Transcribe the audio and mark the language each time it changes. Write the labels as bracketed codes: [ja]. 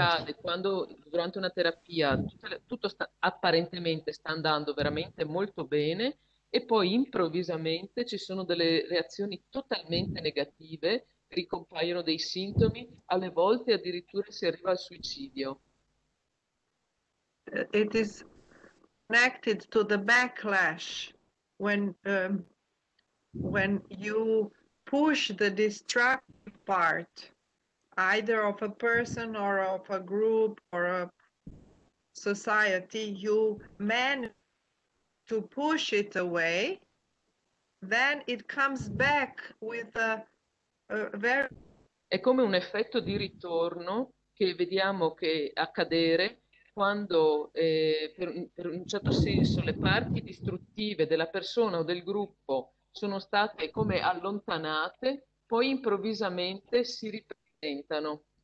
[it] accade quando durante una terapia tutto apparentemente sta andando veramente molto bene e poi improvvisamente ci sono delle reazioni totalmente negative, ricompaiono dei sintomi, alle volte addirittura si arriva al suicidio. [en] It is connected to the backlash when you push the destructive part either of a person or of a group or a society, you manage to push it away, then it comes back with a very... [it] È come un effetto di ritorno che vediamo che accadere quando per un certo senso le parti distruttive della persona o del gruppo sono state come allontanate, poi improvvisamente si ripresentano.